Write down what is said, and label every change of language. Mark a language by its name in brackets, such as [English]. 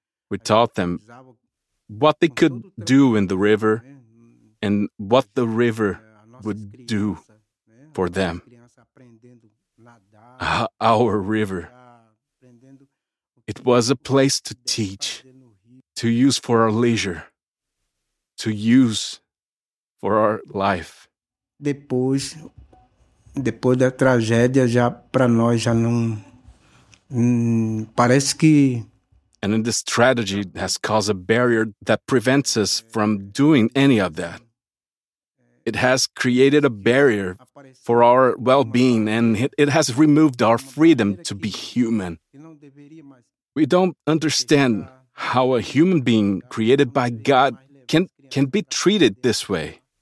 [English] We taught them what they could do in the river and what the river would do for them. Our river. It was a place to teach, to use for our leisure, to use for our life. [Portuguese] Depois da tragédia, já para nós já não parece que. [English] And then this tragedy has caused a barrier that prevents us from doing any of that. It has created a barrier for our well-being, and it has removed our freedom to be human. We don't understand how a human being created by God can be treated this way.